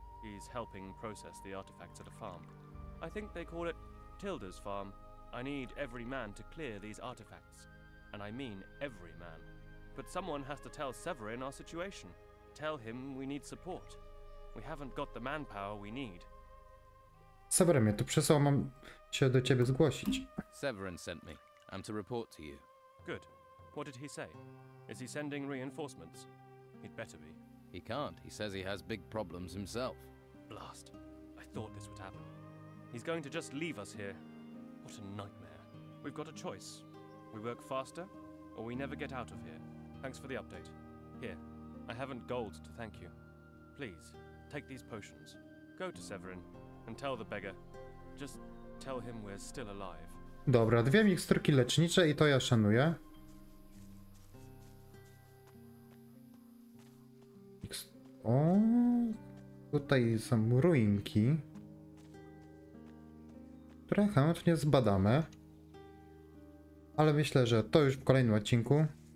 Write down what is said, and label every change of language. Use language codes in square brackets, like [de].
[en] He's helping process the artifacts at a farm. I think they call it Tilda's farm. I need every man to clear these artifacts. And I mean every man. But someone has to tell Severin our situation. Tell him we need support. We haven't got the manpower we need. [pl] Severin, ja tu przesłał, mam się do ciebie zgłosić. [en] Severin sent me. I'm to report to you. Good. What did he say? Is he sending reinforcements? He'd better be. He can't. He says he has big problems himself. Blast. I thought this would happen. He's going to just leave us here. What a nightmare. We've got a choice. We work faster, or we never get out of here. Thanks for the update. Here. I haven't gold to thank you. Please, take these potions. Go to Severin and tell the beggar. Just tell him we're still alive. [pl] Dobra, dwie miksturki lecznicze i to ja szanuję. O, tutaj są ruinki. Które chętnie zbadamy. Ale myślę, że to już w kolejnym odcinku.